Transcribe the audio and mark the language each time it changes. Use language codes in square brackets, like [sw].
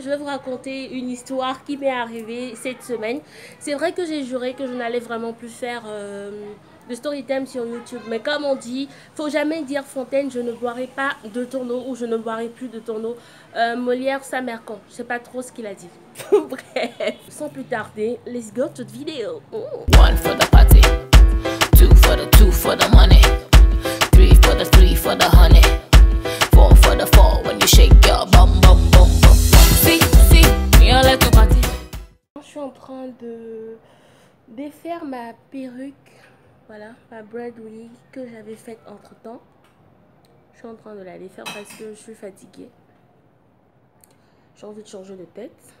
[fr] Je vais vous raconter une histoire qui m'est arrivée cette semaine. C'est vrai que j'ai juré que je n'allais vraiment plus faire de story time sur YouTube, mais comme on dit, faut jamais dire Fontaine, je ne boirai pas de ton eau ou je ne boirai plus de ton eau. Molière, sa mère con, je sais pas trop ce qu'il a dit. Bref, sans plus tarder, [en] let's go to the video. One for the party, two for the money, three for the honey, four for the when you shake your bum bum bum bum. [fr] Si, on l'a tout raté. Je suis en train de défaire ma perruque. Voilà, ma braid wig que j'avais faite entre temps. Je suis en train de la défaire parce que je suis fatiguée. J'ai envie de changer de tête.